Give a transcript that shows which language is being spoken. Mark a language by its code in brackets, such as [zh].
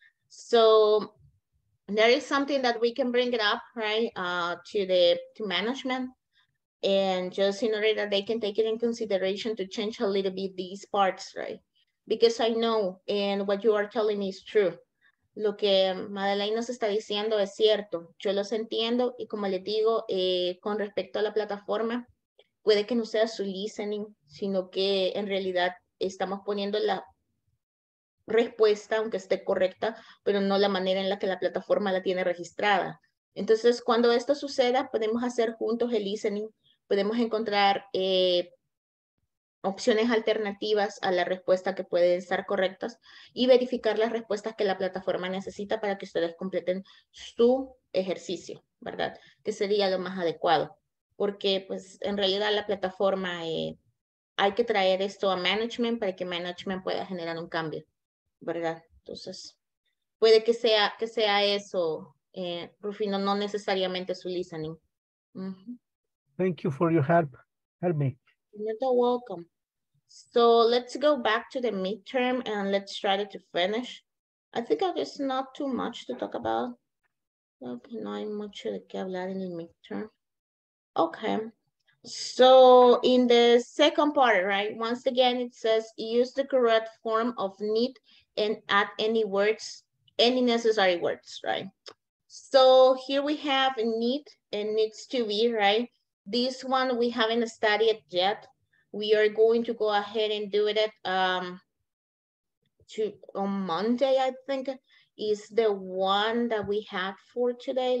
[en] So, there is something that we can bring it up, right, to management. And just in order that they can take it in consideration to change a little bit these parts, right? Because I know, and what you are telling me is true. [es] Lo que Madeleine nos está diciendo es cierto. Yo los entiendo, y como les digo, con respecto a la plataforma, puede que no sea su listening, sino que en realidad estamos poniendo la respuesta, aunque esté correcta, pero no la manera en la que la plataforma la tiene registrada. Entonces, cuando esto suceda, podemos hacer juntos el listening, podemos encontrar opciones alternativas a la respuesta que pueden estar correctas y verificar las respuestas que la plataforma necesita para que ustedes completen su ejercicio, ¿verdad? Que sería lo más adecuado, porque pues en realidad la plataforma hay que traer esto a management para que management pueda generar un cambio, ¿verdad? Entonces, puede que sea eso, Rufino, no necesariamente su listening. [en] Thank you for your help. Help me. You're welcome. So let's go back to the midterm and let's try to finish. I think there's not too much to talk about. [es] Okay, no hay mucho de qué hablar en el midterm. [en] Okay. So in the second part, right? Once again, it says use the correct form of need and add any necessary words, right? So here we have need and needs to be, right? This one we haven't studied yet. We are going to go ahead and do it on Monday, I think, is the one that we have for today.